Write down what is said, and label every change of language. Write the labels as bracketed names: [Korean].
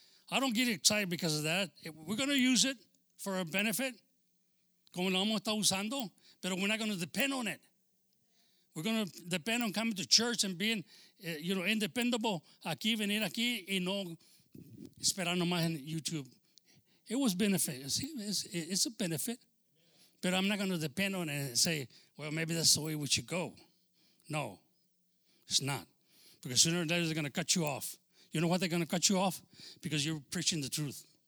[English] I don't get excited because of that. We're going to use it for a benefit. [Spanish] Como lo vamos a estar usando, [English] pero we're not going to depend on it. We're going to depend on coming to church and being, you know, independable. [Spanish] Aquí, venir aquí y no esperar nomás en YouTube. [English] It was benefit. It's a benefit. But I'm not going to depend on it and say, well, maybe that's the way we should go. No, it's not. Because sooner or later, they're going to cut you off. You know why they're going to cut you off? Because you're preaching the truth.